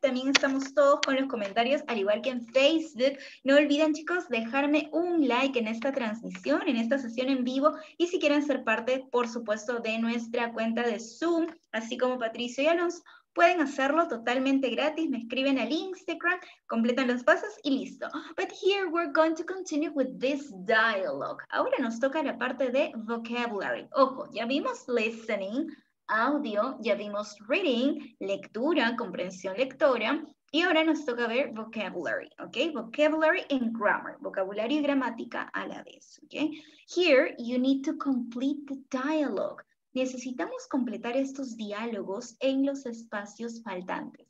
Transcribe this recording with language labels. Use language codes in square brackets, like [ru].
[es] También estamos todos con los comentarios, al igual que en Facebook. No olviden, chicos, dejarme un like en esta transmisión, en esta sesión en vivo. Y si quieren ser parte, por supuesto, de nuestra cuenta de Zoom, así como Patricio y Alonso, pueden hacerlo totalmente gratis. Me escriben al Instagram, completan los pasos y listo. [en] But here we're going to continue with this dialogue. [es] Ahora nos toca la parte de vocabulary. Ojo, ya vimos listening. Audio, ya vimos reading, lectura, comprensión lectora, y ahora nos toca ver vocabulary, ¿ok? [en] Vocabulary and grammar, [es] vocabulario y gramática a la vez, ¿ok? [en] Here, you need to complete the dialogue. [es] Necesitamos completar estos diálogos en los espacios faltantes.